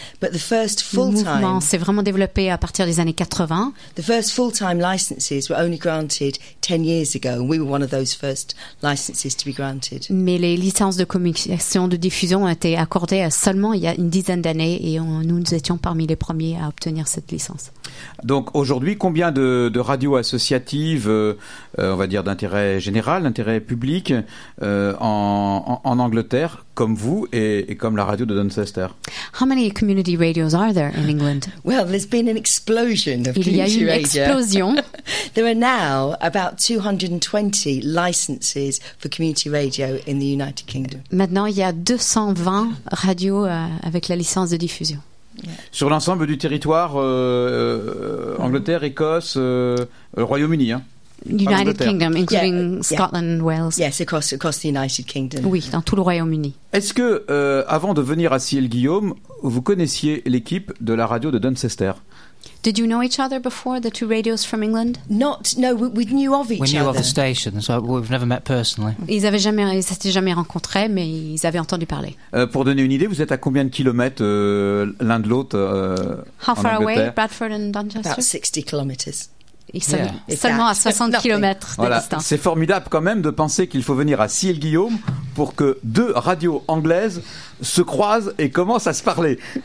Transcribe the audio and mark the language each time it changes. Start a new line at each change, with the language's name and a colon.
English: But the first full-time...
French: Le mouvement s'est vraiment développé à partir des années 80.
English: The first full-time licenses were only granted 10 years ago. And we were one of those first licenses to be granted.
French: Mais les licences de communication de diffusion ont été accordées seulement il y a une dizaine d'années et nous étions parmi les premiers à obtenir cette licence. Donc aujourd'hui, combien de radios associatives, on va dire d'intérêt général, d'intérêt public, en Angleterre, comme vous et comme la radio de Doncaster?
English: How many community radios are there in England? Well, there's been an explosion of community radio.
French: Il y a eu une explosion.
English: There are now about 220 licenses for community radio in the United Kingdom.
French: Maintenant, il y a 220 radios avec la licence de diffusion.
English: Yeah.
French: Sur l'ensemble du territoire, Angleterre, Écosse, Royaume-Uni, hein.
English: United Kingdom, including Scotland and Wales. Yes, across the United Kingdom.
French: Oui, dans tout le Royaume-Uni. Est-ce que, avant de venir à Ciel Guillaume, vous connaissiez l'équipe de la radio de Doncaster?
English: Did you know each other before, the two radios from England? No, we knew of each other. We knew of the station, so we've never met personally.
French: Ils s'étaient jamais rencontrés, mais ils avaient entendu parler. Pour donner une idée, vous êtes à combien de kilomètres l'un de l'autre en Angleterre?
English: How far away, Bradford and Doncaster? About 60 kilometers.
French: Seulement à 60 kilomètres de distance. C'est formidable quand même de penser qu'il faut venir à Ciel Guillaume pour que deux radios anglaises se croisent et commencent à se parler.